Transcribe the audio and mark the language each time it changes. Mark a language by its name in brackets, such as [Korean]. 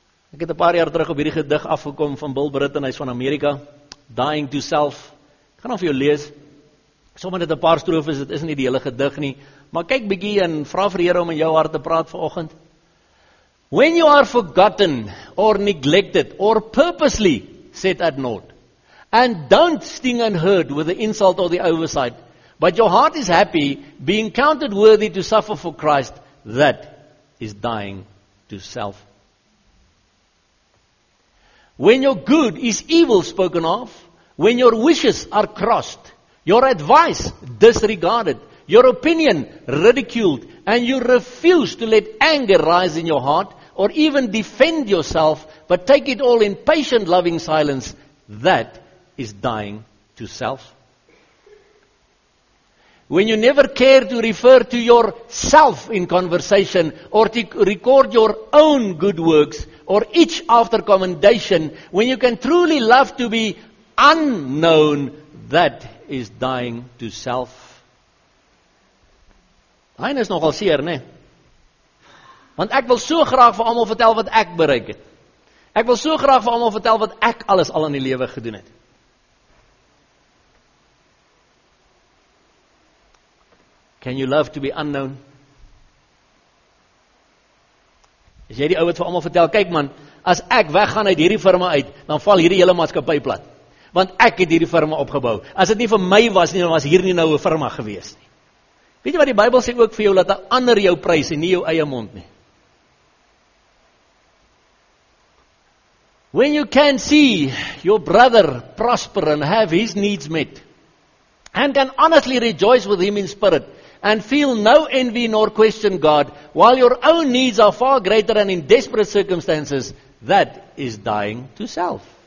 [Afrikaans] Ek het 'n paar jaar terug op hierdie gedig afgekom van Bill Britton, hy is van Amerika, Dying to Self. Ek gaan dan vir jou lees, sommer dit 'n paar strofes, dit is nie die hele gedig nie, maar kyk bietjie en vra vir die Here om in jou hart te praat vanoggend. [English] When you are forgotten or neglected or purposely set at naught, And don't sting and hurt with the insult or the oversight. But your heart is happy being counted worthy to suffer for Christ. That is dying to self. When your good is evil spoken of, when your wishes are crossed, your advice disregarded, your opinion ridiculed, and you refuse to let anger rise in your heart or even defend yourself, but take it all in patient, loving silence, that is dying to self. When you never care to refer to yourself in conversation or to record your own good works or itch after commendation, when you can truly love to be unknown, that is dying to self. [Afrikaans] Hy is nogal seer, nee. Want ek wil so graag vir almal vertel wat ek bereik het. Ek wil so graag vir almal vertel wat ek alles al in die lewe gedoen het. [English] Can you love to be unknown? [Afrikaans] Is jy die ou wat vir almal vertel, kyk man, as ek weggaan uit hierdie firma uit, dan val hierdie hele maatskappy plat. Want ek het hierdie firma opgebou. As dit nie vir my was nie, dan was hier nie nou 'n firma gewees nie. Weet jy wat die Bybel sê ook vir jou, laat 'n ander jou prys en nie jou eie mond nie. [English] When you can see your brother prosper and have his needs met, and can honestly rejoice with him in spirit, and feel no envy nor question God, while your own needs are far greater and in desperate circumstances, that is dying to self.